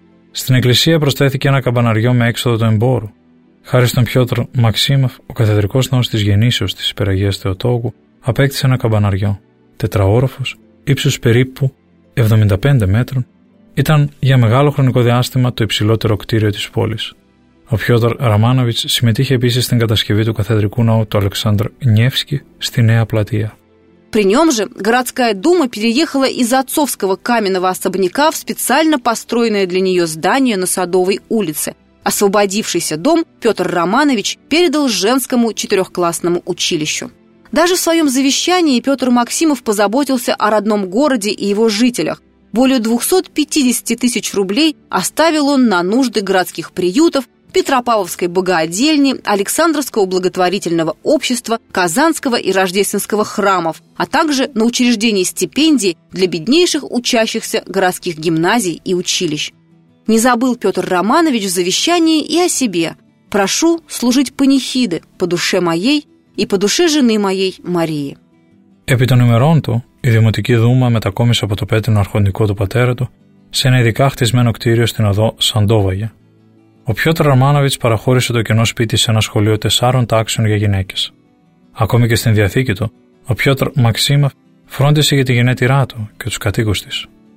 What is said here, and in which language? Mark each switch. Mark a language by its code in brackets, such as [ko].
[el] Στην εκκλησία προσθέθηκε ένα καμπαναριό με έξοδο του εμπόρου. Χάρη στον Πιότρ Μαξίμοφ, ο καθεδρικός ναός της γεννήσεως της Υπεραγίας Θεοτόκου απέκτησε ένα καμπαναριό. Τετραόροφος, ύψος περίπου 75 μέτρων, ήταν για μεγάλο χρονικό διάστημα το υψηλότερο κτίριο της πόλης. Ο Πιότρ Ρωμάνοβιτς συμμετείχε επίσης στην κατασκευή του καθεδρικού ναού του Αλεξάνδρ Νιεύσκι στη Νέα Πλατεία. [ru] При нем же городская дума переехала из отцовского каменного особняка в специально построенное для нее здание на Садовой улице. Освободившийся дом Петр Романович передал женскому четырехклассному училищу. Даже в своем завещании Петр Максимов позаботился о родном городе и его жителях. Более 250 тысяч рублей оставил он на нужды городских приютов, Петропавловской богоодельни, Александровского благотворительного общества, Казанского и Рождественского храмов, а также на учреждение стипендий для беднейших учащихся городских гимназий и училищ. Не забыл Петр Романович в завещании и о себе. «Прошу служить панихиды по душе моей и по душе жены моей Марии». [el] Επί των ημερών του, η Δημοτική Δούμα μετακόμισε από το πέτρινο αρχοντικό του πατέρα του σε ένα ειδικά χτισμένο κτίριο στην οδό Σαντόβαγια. Ο Πιότρ Ρωμάνοβιτς παραχώρησε το κενό σπίτι σε ένα σχολείο 4 τάξεων για γυναίκες. Ακόμη και στην διαθήκη του, ο Πιότρ Μαξίμοφ φρόντισε για τη γενέτειρά του και τους κατοίκους της.